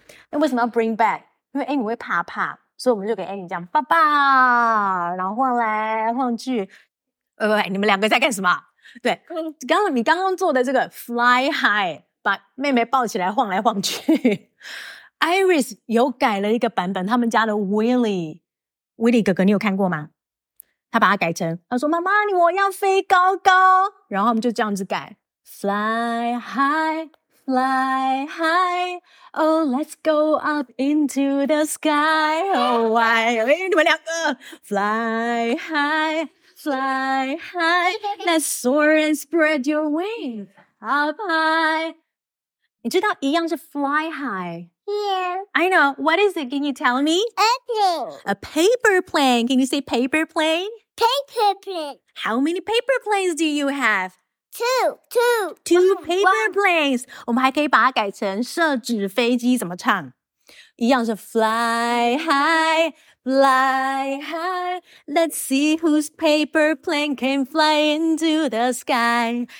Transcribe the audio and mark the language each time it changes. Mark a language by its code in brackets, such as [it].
[zh] 那为什么要 [en] bring back？ [zh] 因为 Amy 会怕，所以我们就给 Amy 讲爸爸，然后晃来晃去。喂，你们两个在干什么？对，你刚刚做的这个 [en] fly high， [zh] 把妹妹抱起来晃来晃去。 Iris 有改了一个版本，他们家的 Willy 哥哥，你有看过吗？他把它改成，他说妈妈你我要飞高高，然后我们就这样子改 [en] Fly high Fly high Oh let's go up into the sky Oh why [zh] 你们两个 [en] Fly highFly high, let's soar and spread your wings up high. [zh] 你知道一样是 [en] fly high? Yeah. I know. What is it? Can you tell me? A plane. A paper plane. Can you say paper plane? Paper plane. How many paper planes do you have? Two paper planes. [zh] 我们还可以把它改成射纸飞机怎么唱？一样是 [en] fly high. Fly high, let's see whose paper plane can fly into the sky.